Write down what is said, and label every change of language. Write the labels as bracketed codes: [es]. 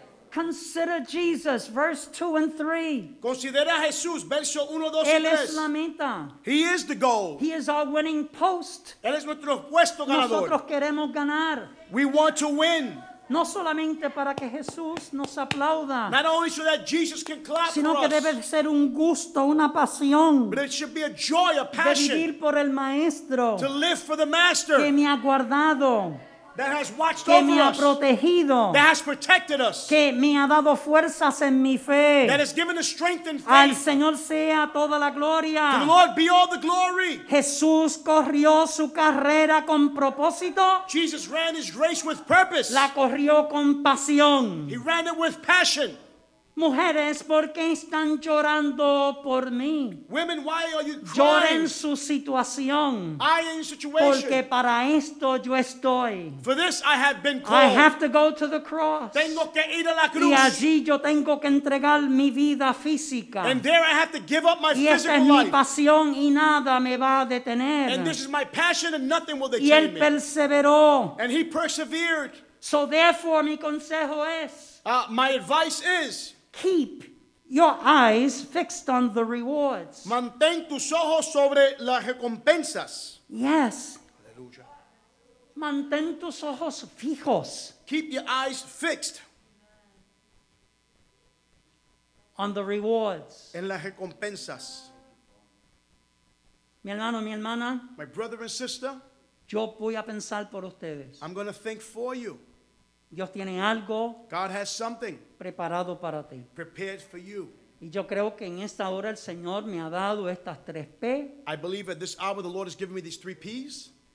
[en] Consider Jesus, verse 2 and 3. [es] Considera Jesús, verso 1, 2 y 3. Él es la meta. [en] He is the goal. He is our winning post. [es] Él es nuestro puesto ganador. Nosotros queremos ganar. [en] We want to win. [es] No solamente para que Jesús nos aplauda. [en] Not only so that Jesus can clap for us. [es] Sino que debe ser un gusto, una pasión. [en] But it should be a joy, a passion. [es] De vivir por el Maestro. [en] To live for the Master. [es] Que me ha guardado. [en] That has watched [es] que [en] over [es] me ha [en] us. [es] Protegido. [en] That has protected us. [es] Que me ha dado fuerzas en mi fe. [en] That has given us strength and faith. [es] Al Señor sea toda la gloria. [en] To the Lord be all the glory. [es] Jesús corrió su carrera con propósito. [en] Jesus ran his race with purpose. [es] La corrió con pasión. [en] He ran it with passion. [es] Mujeres, ¿por qué están llorando por mí? [en] Women, why are you crying? [es] Lloren su situación. [en] I am in situation. [es] Porque para esto yo estoy. [en] For this I have been called. I have to go to the cross. [es] Tengo que ir a la cruz. Y allí yo tengo que entregar mi vida física. [en] And there I have to give up my physical life. [es] Y esta es mi pasión y nada me va a detener. [en] And this is my passion and nothing will detain [es] me. Y él perseveró. [en] And he persevered. So therefore [es] mi consejo es. [en] My advice is. Keep your eyes fixed on the rewards. [es] Mantén tus ojos sobre las recompensas. [en] Yes. [es] Aleluya. Mantén tus ojos fijos. [en] Keep your eyes fixed. on the rewards. [es] En las recompensas. Mi hermano, mi hermana. [en] My brother and sister. [es] Yo voy a pensar por ustedes. [en] I'm going to think for you. [es] Dios tiene algo. [en] God has something. [es] Preparado para ti. [en] Prepared for you. [es] Y yo creo que en esta hora el Señor me ha dado estas tres P. [en] I believe at this hour the Lord has given me these three P's.